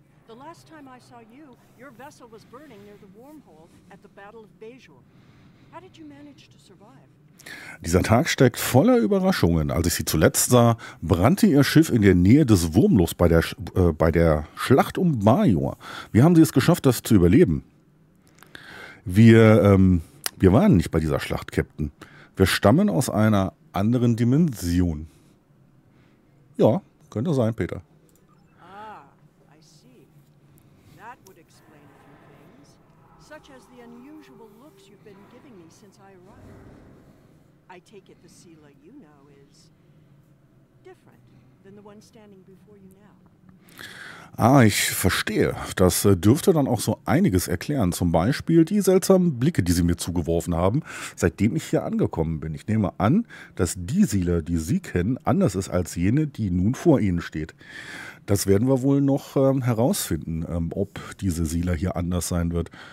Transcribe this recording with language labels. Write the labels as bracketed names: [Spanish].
[English] The last time I saw you, your vessel was burning near the wormhole at the Battle of Bajor. How did you manage to survive? [German] Dieser Tag steckt voller Überraschungen. Als ich sie zuletzt sah, brannte ihr Schiff in der Nähe des Wurmlochs bei der Schlacht um Bajor. Wie haben Sie es geschafft, das zu überleben? Wir waren nicht bei dieser Schlacht, Captain. Wir stammen aus einer anderen Dimension. Ja, könnte sein, Peter. [English] Ah, I see. That would explain a few things, such as the unusual looks you've been giving me since I arrived. I take it the Sela you know is different than the one standing before you now. [German] Ah, ich verstehe. Das dürfte dann auch so einiges erklären. Zum Beispiel die seltsamen Blicke, die sie mir zugeworfen haben, seitdem ich hier angekommen bin. Ich nehme an, dass die Sila, die sie kennen, anders ist als jene, die nun vor ihnen steht. Das werden wir wohl noch herausfinden, ob diese Sila hier anders sein wird.